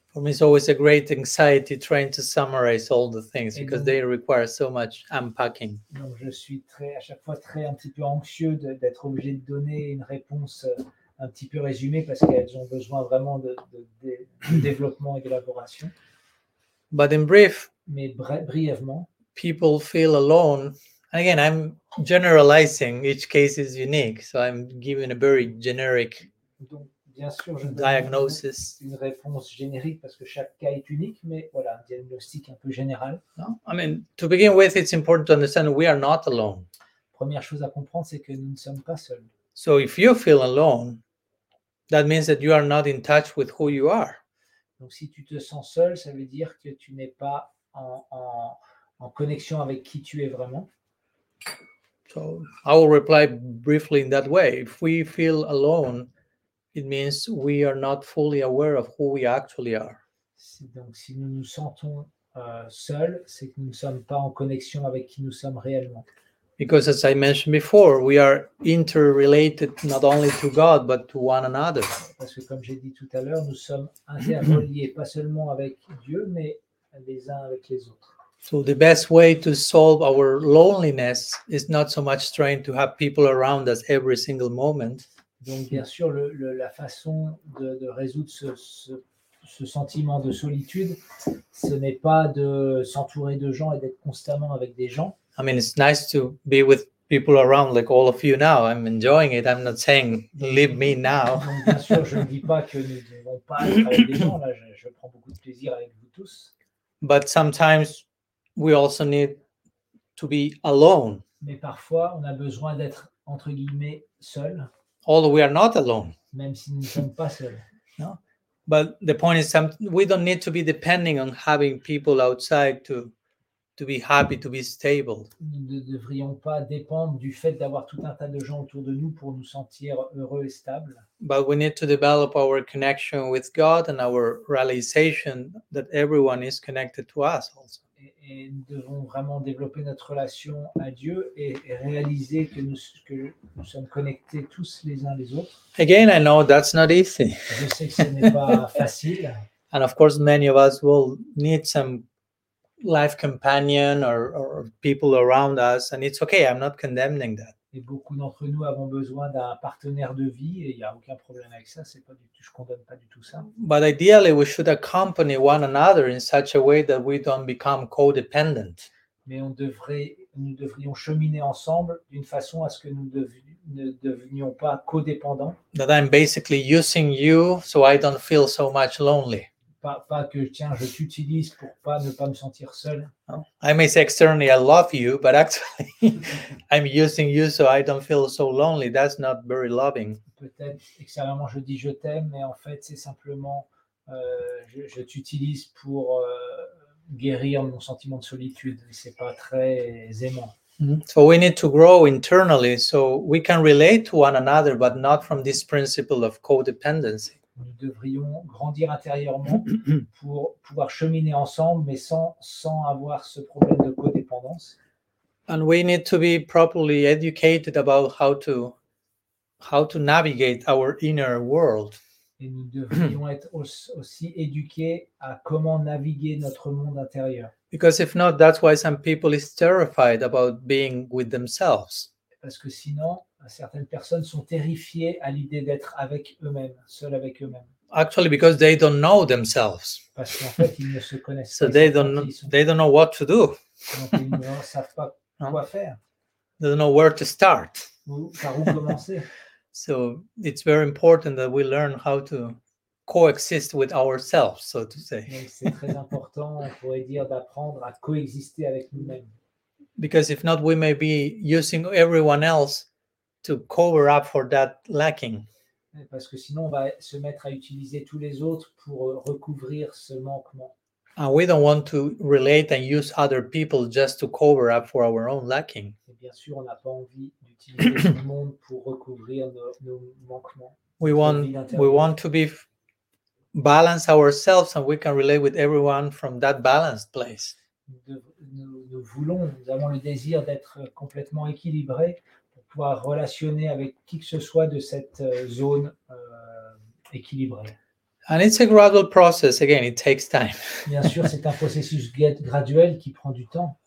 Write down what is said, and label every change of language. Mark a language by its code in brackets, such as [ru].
[en] For me, it's always a great anxiety trying to summarize all the things because they require so much unpacking. [fr] Donc je suis très, à chaque fois très un petit peu anxieux d'être obligé de donner une réponse un petit peu résumée parce qu'elles ont besoin vraiment de développement et d'élaboration. [en] But in brief, [fr] mais brièvement, [en] people feel alone. And again, I'm generalizing. Each case is unique, so I'm giving a very generic. [fr] Donc, bien sûr, je [en] diagnosis. [fr] Une réponse générique parce que chaque cas est unique, mais voilà, un diagnostic un peu général. [en] I mean, to begin with, it's important to understand we are not alone. [fr] Première chose à comprendre, c'est que nous ne sommes pas seuls. [en] So if you feel alone, that means that you are not in touch with who you are. [fr] Donc si tu te sens seul, ça veut dire que tu n'es pas en connexion avec qui tu es vraiment. [en] So I will reply briefly in that way. If we feel alone, it means we are not fully aware of who we actually are. [fr] Donc, si nous nous sentons seuls, c'est que nous ne sommes pas en connexion avec qui nous sommes réellement. [en] Because, as I mentioned before, we are interrelated not only to God but to one another. [fr] Parce que, comme j'ai dit tout à l'heure, nous sommes interreliés pas seulement avec Dieu, mais les uns avec les autres. [en] So the best way to solve our loneliness is not so much trying to have people around us every single moment. [fr] Donc bien sûr, la façon de résoudre ce sentiment de solitude, ce n'est pas de s'entourer de gens et d'être constamment avec des gens. [en] I mean, it's nice to be with people around, like all of you now. I'm enjoying it. I'm not saying leave me now. [fr] Donc, bien sûr, je ne dis pas que nous ne devons pas être avec des gens. Là, je prends beaucoup de plaisir avec vous tous. [en] But sometimes we also need to be alone. [fr] Mais parfois, on a besoin d'être entre guillemets seul. [en] Although we are not alone. [fr] Même si nous ne sommes pas seuls. [en] No? But the point is, we don't need to be depending on having people outside to be happy, to be stable. [fr] Nous ne devrions pas dépendre du fait d'avoir tout un tas de gens autour de nous pour nous sentir heureux et stables. [en] But we need to develop our connection with God and our realization that everyone is connected to us also. [fr] Et nous devons vraiment développer notre relation à Dieu et réaliser que nous sommes connectés tous les uns les autres. [en] Again, I know that's not easy. [fr] Je sais que ce n'est pas facile. [en] And of course, many of us will need some life companion or people around us. And it's okay, I'm not condemning that. [fr] Et beaucoup d'entre nous avons besoin d'un partenaire de vie et il n'y a aucun problème avec ça, c'est pas du tout, je ne condamne pas du tout ça. [en] But ideally we should accompany one another in such a way that we don't become codependent. [fr] Mais nous devrions cheminer ensemble d'une façon à ce que nous ne devenions pas codépendants. [en] That I'm basically using you so I don't feel so much lonely. [fr] Pas que tiens, je t'utilise pour ne pas me sentir seul. [en] I may say externally I love you, but actually I'm using you so I don't feel so lonely. That's not very loving. [fr] Peut-être extérieurement je dis je t'aime, mais en fait c'est simplement je t'utilise pour guérir mon sentiment de solitude. C'est pas très aimant. [en] So we need to grow internally so we can relate to one another, but not from this principle of codependency. [fr] Nous devrions grandir intérieurement pour pouvoir cheminer ensemble, mais sans avoir ce problème de codépendance. [en] And we need to be properly educated about how to navigate our inner world. [fr] Et nous devrions être aussi éduqués à comment naviguer notre monde intérieur. [en] Because if not, that's why some people is terrified about being with themselves. [fr] Parce que sinon, certaines personnes sont terrifiées à l'idée d'être avec eux-mêmes, seules avec eux-mêmes. [en] Actually, because they don't know themselves. [fr] Parce qu'en fait, ils ne se connaissent pas. [en] So they don't know what to do. [fr] Donc, ils ne savent pas quoi faire. [en] They don't know where to start. [fr] Par où commencer. [en] So it's very important that we learn how to coexist with ourselves, so to say. [fr] Donc, c'est très important, on pourrait dire, d'apprendre à coexister avec nous-mêmes. [en] Because if not, we may be using everyone else to cover up for that lacking. [fr] Parce que sinon, on va se mettre à utiliser tous les autres pour recouvrir ce manquement. [en] And we don't want to relate and use other people just to cover up for our own lacking. [fr] Et bien sûr, on n'a pas envie d'utiliser tout le monde pour recouvrir nos manquements. [en] We want to be balance ourselves and we can relate with everyone from that balanced place. [fr] Nous avons le désir d'être complètement équilibrés pour pouvoir relationner avec qui que ce soit de cette zone équilibrée. [en] And it's a gradual process. Again, it takes time. [fr] Bien sûr, c'est un processus graduel qui prend du temps.